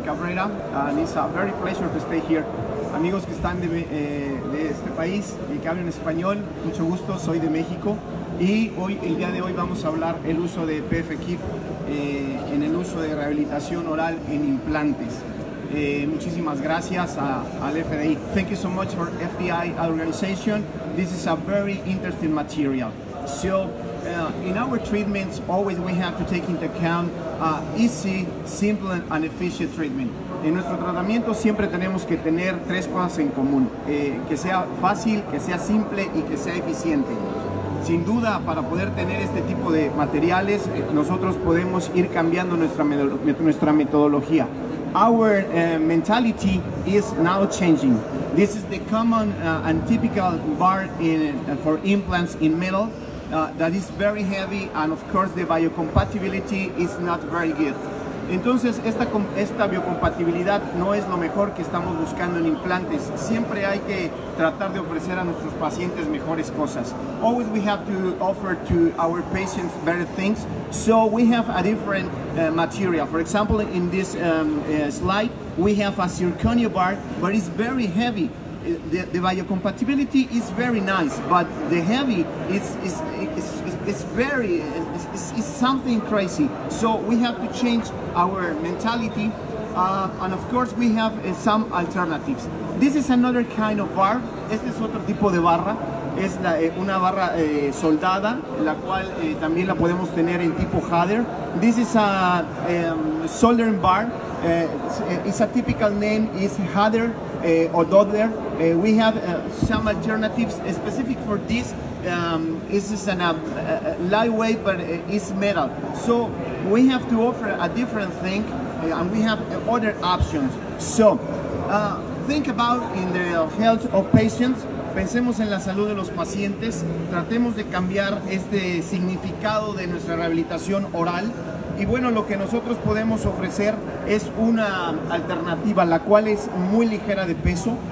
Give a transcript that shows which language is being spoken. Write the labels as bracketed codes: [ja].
[en] Cabrera, and it's a very pleasure to stay here. [es] Amigos que están de este país y que hablan español, mucho gusto, soy de México. Y hoy, el día de hoy, vamos a hablar el uso de Pfkeep en el uso de rehabilitación oral en implantes. Muchísimas gracias al FDI. [en] Thank you so much for FDI organization. This is a very interesting material. So, in our treatments, always we have to take into account easy, simple, and efficient treatment. [es] En nuestro tratamiento siempre tenemos que tener tres cosas en común. Que sea fácil, que sea simple y que sea eficiente. Sin duda, para poder tener este tipo de materiales, nosotros podemos ir cambiando nuestra metodología. [en] Our mentality is now changing. This is the common and typical bar for implants in metal that is very heavy, and of course the biocompatibility is not very good. [es] Entonces, esta biocompatibilidad no es lo mejor que estamos buscando en implantes. Siempre hay que tratar de ofrecer a nuestros pacientes mejores cosas. [en] Always we have to offer to our patients better things. So we have a different material. For example, in this slide, we have a zirconia bar, but it's very heavy. The biocompatibility is very nice, but the heavy is something crazy. So we have to change our mentality, and of course we have some alternatives. This is another kind of bar. [es] Este es otro tipo de barra. Es una barra soldada, la cual también la podemos tener en tipo header. [en] This is a soldering bar. It's a typical name is header or doddler. We have some alternatives specific for this. This is a lightweight, but it's metal. So we have to offer a different thing, and we have other options. So think about in the health of patients. [es] Pensemos en la salud de los pacientes. Tratemos de cambiar este significado de nuestra rehabilitación oral. Y bueno, lo que nosotros podemos ofrecer es una alternativa, la cual es muy ligera de peso.